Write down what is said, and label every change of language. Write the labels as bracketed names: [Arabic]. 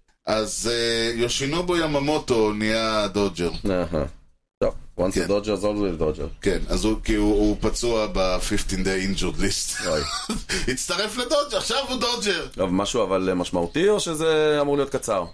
[Hebrew] אז יושינובו יממוטו נהיה דודג'ר. טוב, [English] once a dodger, it's always a dodger. [Hebrew] כן, אז הוא, כי הוא פצוע ב- [English] 15 day injured list. [Hebrew] הצטרף לדודג'ר, עכשיו הוא דודג'ר. טוב, משהו אבל משמעותי, או שזה אמור להיות קצר?